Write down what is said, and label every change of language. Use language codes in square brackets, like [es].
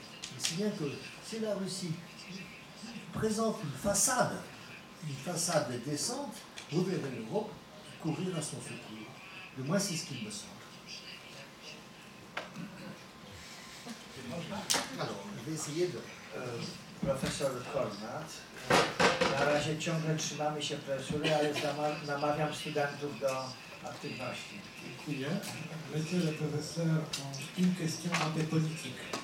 [fr] Et c'est bien que si la Russie présente une façade décente, vous verrez l'Europe courir à son secours. Du moins, c'est ce qu'il me semble. Alors, je vais essayer de... [pl] Profesor Kornat, na razie ciągle trzymamy się profesury, ale namawiam studentów do aktywności. Dziękuję. [fr] Monsieur le professeur, une question un peu politique.